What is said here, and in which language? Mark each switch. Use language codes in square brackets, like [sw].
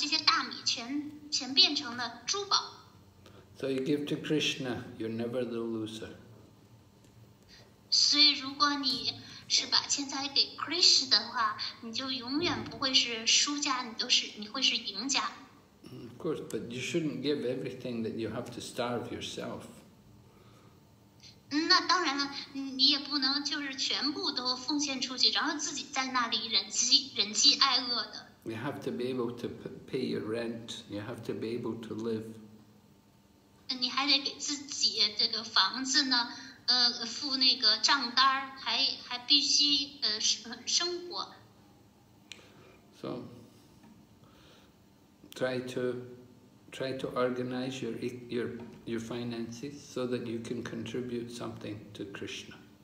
[zh] 他手里他就拿捧着一些大米就来到这个卖水果的小贩那里和他交换，然后这个小贩这名妇女呢，她特别的高兴，然后她给了那Krishna许多的水果，让Krishna放在她的怀里，结果她后来Krishna就把这个小贩他得到的这些大米全变成了珠宝。 [en] So you give to Krishna, you're never the loser. [zh] 所以如果你是把钱财给Krishna的话，你就永远不会是输家，你就是你会是赢家。 [en] Of course, but you shouldn't give everything that you have to starve yourself. [zh] 那当然了，你也不能就是全部都奉献出去，然后自己在那里忍饥挨饿的。 [en] You have to be able to pay your rent. You have to be able to live. [zh] 你还得给自己这个房子呢，付那个账单，还必须生活。 [en] So, try to organize your finances so that you can contribute something to Krishna.